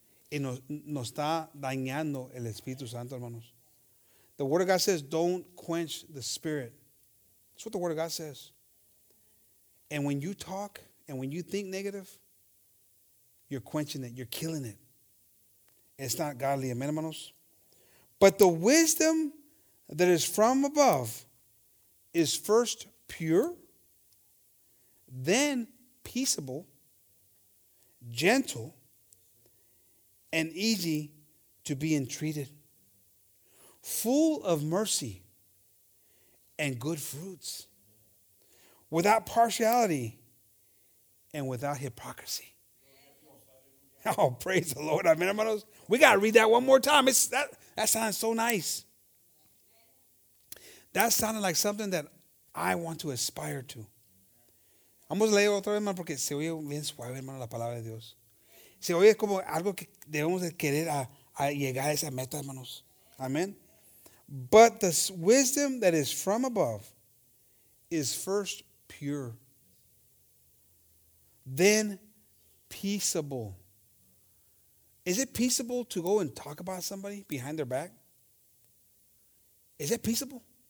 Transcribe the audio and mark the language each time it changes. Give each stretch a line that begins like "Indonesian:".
Spanish: Y nos está dañando el Espíritu Santo, hermanos.
English: The Word of God says, don't quench the Spirit. That's what the Word of God says. And when you talk and when you think negative, you're quenching it. You're killing it. It's not godly. Amen, hermanos. But the wisdom that is from above is first pure, then peaceable, gentle, and easy to be entreated, full of mercy and good fruits, without partiality and without hypocrisy. Oh, praise the Lord. Amen, hermanos. We got to read that one more time. That sounds so nice. That sounded like something that I want to aspire to.
Spanish: Vamos a leer otra vez, hermano, porque se oye bien suave, hermano, la palabra de Dios. Se oye como algo que debemos de querer a llegar a esa meta, hermanos.
English: Amen. But the wisdom that is from above is first pure, then peaceable. Is it peaceable to go and talk about somebody behind their back? Is it peaceable?